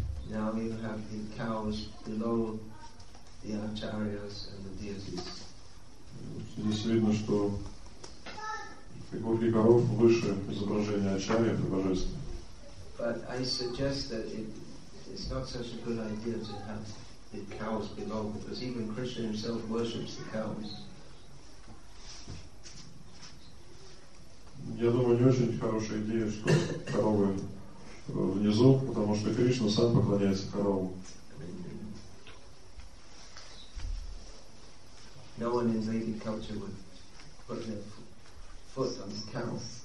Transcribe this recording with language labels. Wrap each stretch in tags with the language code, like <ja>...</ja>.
<en>Now you have the cows below the acharyas and the deities.</en> <ru>Здесь видно, что фигурки коров выше изображения ачарьев и божеств.</ru> <en>But I suggest that it's not such a good idea to have the cows below, because even Krishna himself worships the cows.</en> <ru>Я думаю, не очень хорошая идея, что коровы внизу, потому что Кришна сам поклоняется коровам.</ru> <en>No one in Vedic culture would put their foot on the cow.</en>